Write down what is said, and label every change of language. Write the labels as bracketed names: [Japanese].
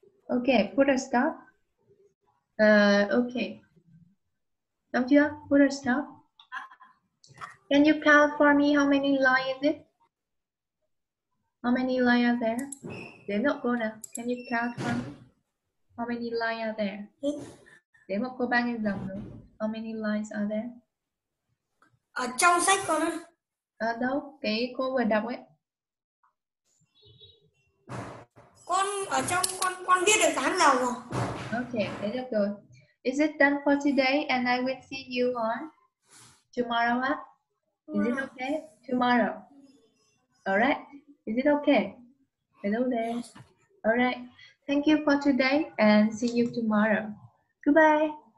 [English] Okay, put a stop. Okay. [Vietnamese] Xong chưa? [English] Put a stop. Can you count for me how many lines is it? How many lines are there? [Vietnamese] Đếm hộ cô nào. [English] Can you count for me how many lines are there? [Vietnamese] Đếm hộ cô bao nhiêu dòng nữa? [English] How many lines are there? [Vietnamese] Ở trong sách con ạ. À, đâu? Cái cô vừa đọc ấy. Con ở trong con biết được 8 dòng rồi. Okay, thế được rồi. [English] Is it done for today and I will see you on tomorrow? Huh? Is it okay? Tomorrow. Alright. Is it okay? Hello there. Alright. Thank you for today and see you tomorrow. Goodbye.